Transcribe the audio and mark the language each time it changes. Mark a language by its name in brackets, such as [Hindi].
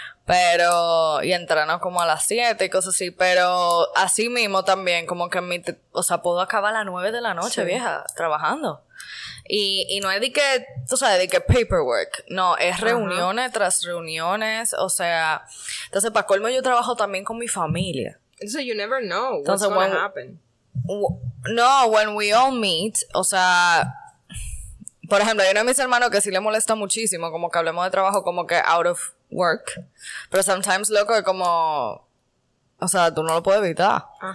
[Spanish] Pero, y entreno como a las 7 y cosas así, pero así mismo también, como que mi, o sea, puedo acabar a las 9 de la noche, vieja, trabajando. Y no es de que, tú sabes, de que paperwork, no, es reuniones tras reuniones, o sea, entonces para colmo yo trabajo también con mi familia. [English] So you never know what's going to happen. When we all meet, [Spanish] o sea, por ejemplo, hay uno de mis hermanos que sí le molesta muchísimo, como que hablemos de trabajo como que [English] out of work, [Spanish] pero sometimes, loco, es como, o sea, tú no lo puedes evitar.